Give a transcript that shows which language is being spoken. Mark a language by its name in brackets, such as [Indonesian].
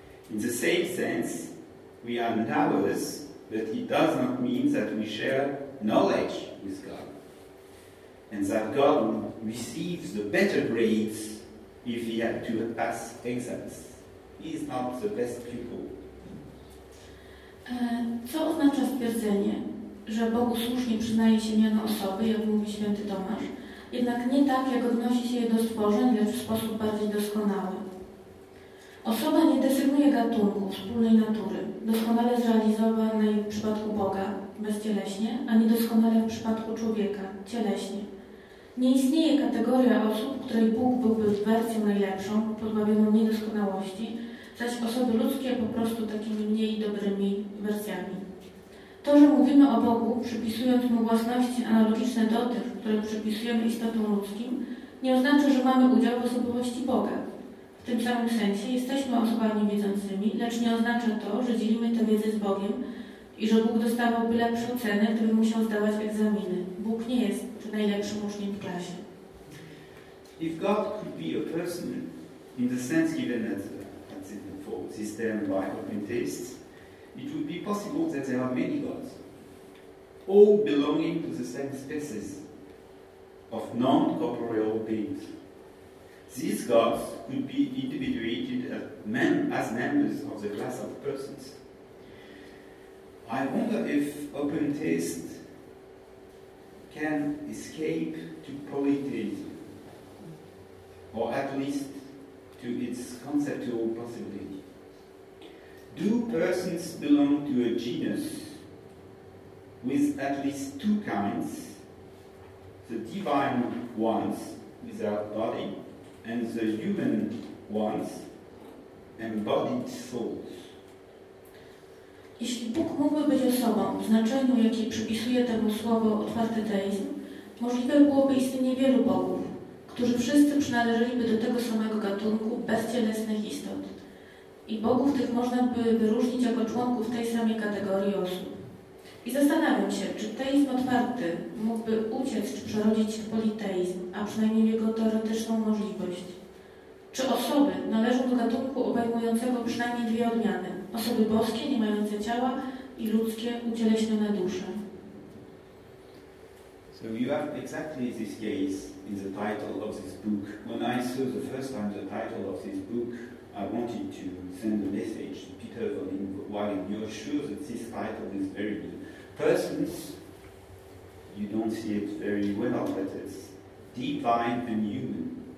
[English] In the same sense, we are knowers, but it does not mean that we share knowledge with God, and that God receives the better grades if he had to pass exams. He is not the best pupil. [Polish] Co oznacza stwierdzenie, że Bogu słusznie przyznaje się miano osoby, jak mówi święty Tomasz, jednak nie tak, jak odnosi się je do stworzeń, lecz w sposób bardziej doskonały? Osoba nie definiuje gatunku, wspólnej natury, doskonale zrealizowanej w przypadku Boga, bezcieleśnie, a niedoskonale w przypadku człowieka, cieleśnie. Nie istnieje kategoria osób, której Bóg byłby wersją najlepszą, pozbawioną niedoskonałości, zaś osoby ludzkie po prostu takimi mniej dobrymi wersjami. To, że mówimy o Bogu, przypisując mu własności analogiczne do tych, które przypisujemy istotom ludzkim, nie oznacza, że mamy udział w osobowości Boga. W tym samym sensie jesteśmy osobami wiedzącymi, lecz nie oznacza to, że dzielimy tę wiedzę z Bogiem i że Bóg dostawałby lepsze oceny, gdyby musiał zdawać egzaminy. Bóg nie jest najlepszym uczniem w klasie. [English] If God could be a person in the sense given as for this term by Adventists, it would be possible that there are many gods, all belonging to the same species of non-corporeal beings. These gods could be individuated as members of the class of persons. I wonder if open taste can escape to polytheism, or at least to its conceptual possibility. Do persons belong to a genus with at least two kinds, the divine ones without body, and the human ones, embodied souls? [Polish] Jeśli Bóg mógłby być osobą w znaczeniu, jakie przypisuje temu słowo otwarty teizm, możliwe byłoby istnienie wielu bogów, którzy wszyscy przynależeliby do tego samego gatunku bezcielesnych istot. I bogów tych można by wyróżnić jako członków tej samej kategorii osób. I zastanawiam się, czy teizm otwarty mógłby uciec czy przerodzić w politeizm, a przynajmniej w jego teoretyczną możliwość. Czy osoby należą do gatunku obejmującego przynajmniej dwie odmiany? Osoby boskie, nie mające ciała, i ludzkie, ucieleśnione dusze. [English] So you have exactly this case in the title of this book. When I saw the first time the title of this book, I wanted to send a message to Peter von Wallen. You're sure that this title is very good. Persons, you don't see it very well, but it's divine and human.